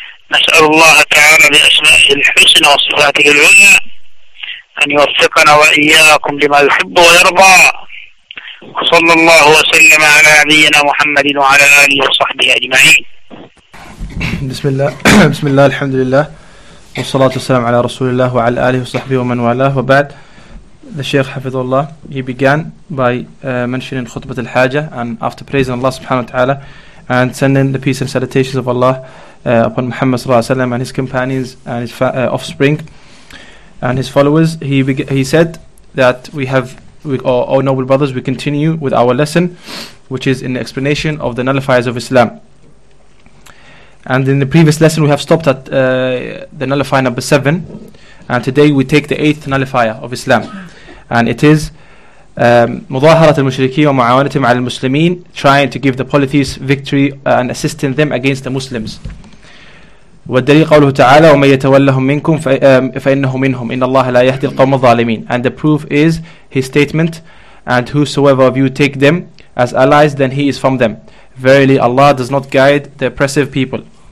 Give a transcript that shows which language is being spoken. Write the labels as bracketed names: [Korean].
[Arabic] نسأل الله تعالى بأسمائه الحسنى وصفاته العليا أن يوفقنا وإياكم لما يحب ويرضى، وصلى الله وسلم على نبينا محمد وعلى آله وصحبه أجمعين. بسم الله بسم الله، الحمد لله، والصلاة والسلام على رسول الله وعلى آله وصحبه ومن والاه، وبعد. [English] The Sheikh Hafizullah, he began by mentioning Khutbat al-Hajah, and after praising Allah subhanahu wa ta'ala and sending the peace and salutations of Allah upon Muhammad sallallahu alayhi wa sallam and his companions and his offspring and his followers, he said that our noble brothers, we continue with our lesson, which is in the explanation of the nullifiers of Islam. And in the previous lesson we have stopped at the nullifier number 7, and today we take the 8th nullifier of Islam. And it is [Arabic] مظاهرة المشركين ومعاونتهم على المسلمين, [English] trying to give the polytheists victory and assisting them against the Muslims. [Arabic] والدليل قوله تعالى: ومن يتولهم منكم فإنه منهم إن الله لا يهدي القوم الظالمين. [English] And the proof is his statement: and whosoever of you take them as allies, then he is from them. Verily Allah does not guide the oppressive people.